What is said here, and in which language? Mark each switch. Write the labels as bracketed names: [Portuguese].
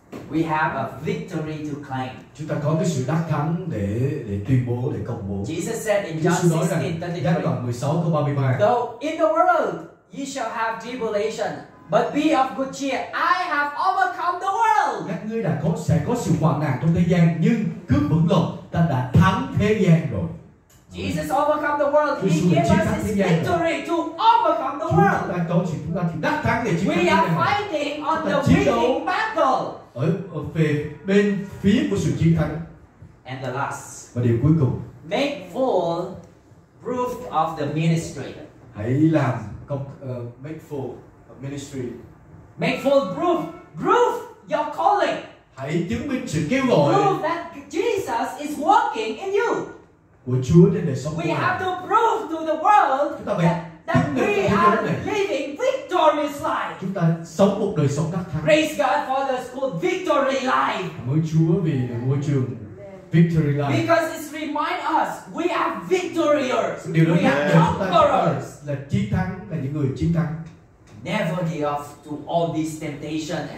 [English] We have a victory to claim. [Vietnamese] Chúng ta có cái sự đắc thắng để tuyên bố, để công bố. [English] Jesus said in John 16, 33. Though in the world ye shall have tribulation, but be of good cheer, I have overcome the world. [Vietnamese] Các ngươi đã có, sẽ có sự hoạn nạn trong thế gian, nhưng cứ vững lòng, ta đã thắng thế gian rồi. [English] Jesus overcome the world. He gave us his victory to overcome the world. [Vietnamese] Chúng ta đang đấu, chúng ta thì đắc thắng để chiến thắng. [English] We are fighting on the winning battle. [Vietnamese] Ở về bên phía của sự chiến thắng. [English] And the last. [Vietnamese] Và điều cuối cùng. [English] Make full proof of the ministry. [Vietnamese] Hãy làm công, [English] make full of ministry. Make full proof. Proof your calling. [Vietnamese] Hãy chứng minh sự kêu gọi. [English] Proof that Jesus is working in you. [Vietnamese] Của Chúa trên đời sống. [English] We have to prove to the world that we are living victorious life. [Vietnamese] Chúng ta sống một đời sống đắc thắng. [English] Praise God for the school victory life. [Vietnamese] Cảm ơn Chúa vì ngôi trường victory life. [English] Because it reminds us we are victorious. [Vietnamese] Điều đó [English] we are conquerors. [Vietnamese] Là chiến thắng, là những người chiến thắng. [English] Never give up to all these temptations.